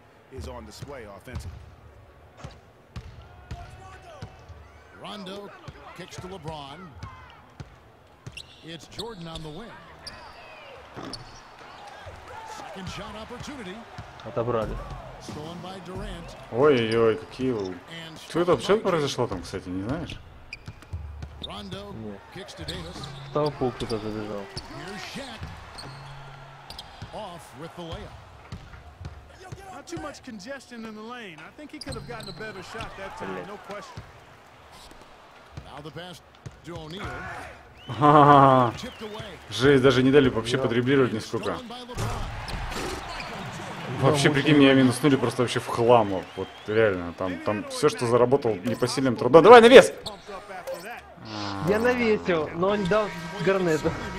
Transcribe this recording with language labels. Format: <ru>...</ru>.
<en>Is on display offensively. Rondo kicks to LeBron. It's Jordan on the wing. Second shot opportunity.</en> <ru>Отобрали.</ru> <en>Stolen by Durant.</en> <ru>Ой-ой-ой, какие. Что это вообще произошло там, кстати, не знаешь?</ru> <en>Rondo kicks to Davis.</en> <ru>В толпу кто-то забежал.</ru> <en>Here's Shaq. Off with the layup. Not too much congestion in the lane. I think he could have gotten a better shot that time, no question. Now the pass to O'Neal.</en> <ru>Жесть, даже не дали вообще подреблировать нисколько. Вообще, прикинь, меня минуснули просто вообще в хлам. Вот реально, там все, что заработал непосильным трудом. Давай, навес! Я навесил, но он дал Гарнету.</ru>